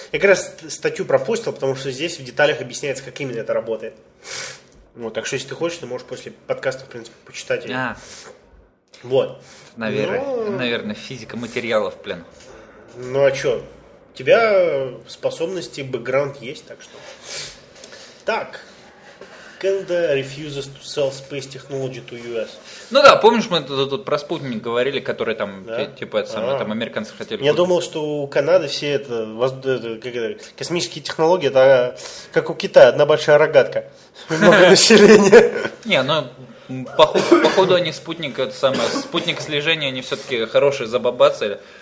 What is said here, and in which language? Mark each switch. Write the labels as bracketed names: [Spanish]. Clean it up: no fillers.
[Russian] Я как раз статью пропустил, потому что здесь в деталях объясняется, как именно это работает. Вот, так что, если ты хочешь, ты можешь после подкаста, в принципе, почитать. Да. Вот. Наверное, физика материалов, блин. Ну а что? У тебя способности, бэкграунд есть, так что. Так. [English] Canada refuses to sell space technology to US. [Russian] Ну да, помнишь, мы тут про спутник говорили, который там, да? там американцы хотели. Я купить. Думал, что у Канады все это, как это космические технологии, это как у Китая, одна большая рогатка. Много населения. Не, ну, походу они спутник, это самое, спутник слежения, они все-таки хорошие забабацали.